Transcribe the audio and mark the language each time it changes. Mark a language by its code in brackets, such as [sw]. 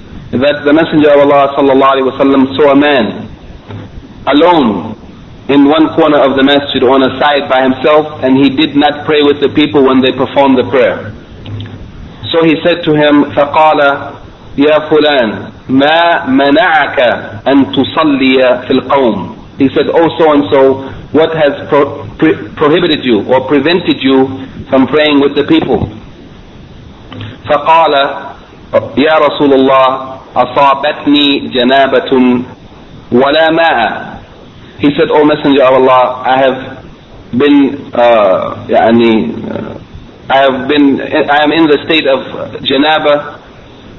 [en] That the Messenger of Allah صلى الله عليه وسلم saw a man alone in one corner of the masjid on a side by himself, and he did not pray with the people when they performed the prayer. So he said to him, [ar] فقال يا فلان ما منعك أن تصلي في القوم. [en] He said, oh so-and-so, what has prohibited you or prevented you from praying with the people? [ar] فَقَالَ يَا رَسُولُ اللَّهِ أَصَابَتْنِي جَنَابَةٌ وَلَا مَاءَ. [en] He said, oh Messenger of Allah, I am in the state of janaba,